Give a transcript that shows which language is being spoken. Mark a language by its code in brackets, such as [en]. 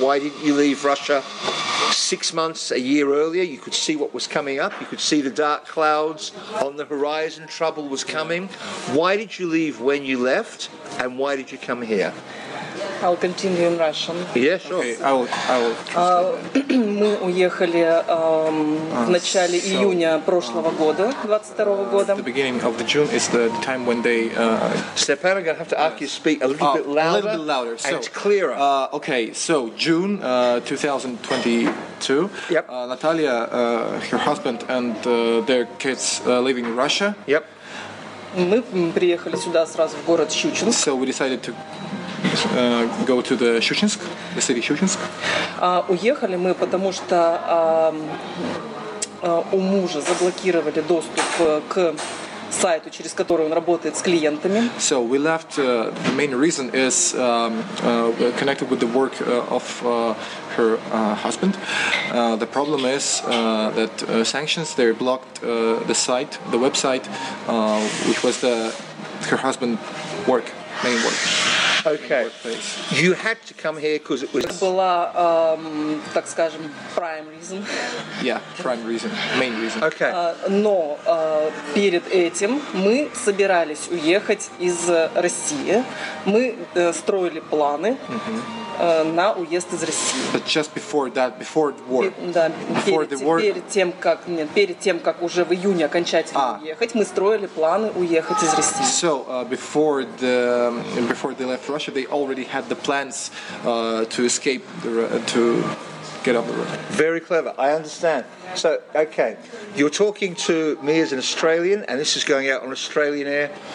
[en] Why didn't you leave Russia 6 months, a year earlier? You could see what was coming up. You could see the dark clouds on the horizon. Trouble was coming. Why did you leave when you left? And why did you come here? I'll continue in Russian. Yes, yeah, sure. Okay, I will. [ru] Мы уехали в начале июня прошлого года, 22-го года. [en] The beginning of the June is the time when they... Stepan, I'm going to have to ask you to speak a little bit louder. A little bit louder. So, and clearer. Okay, so June 2022. Yep. Natalia, her husband and their kids living in Russia. Yep. [ru] Мы приехали сюда сразу в город Щучинск. [en] So we decided to... go to the Щучинск, the city Щучинск. [ru] Уехали мы, потому что у мужа заблокировали доступ к сайту, через который он работает с клиентами. [en] So we left, the main reason is connected with the work of her husband. The problem is that sanctions, they blocked the site, the website, which was the her husband's work, main work. Okay. You had to come here because it was... [ru] Это была, так скажем, [en] prime reason. Yeah, prime reason, main reason. Okay. [ru] Но перед этим мы собирались уехать из России. Мы строили планы на уезд из России. [en] But just before that, before the war. [ru] Да, перед тем, как уже в июне окончательно уехать, мы строили планы уехать из России. [en] So, before they left Russia, they already had the plans to escape, to get up the road. Very clever. I understand. So, okay. You're talking to me as an Australian, and this is going out on Australian air.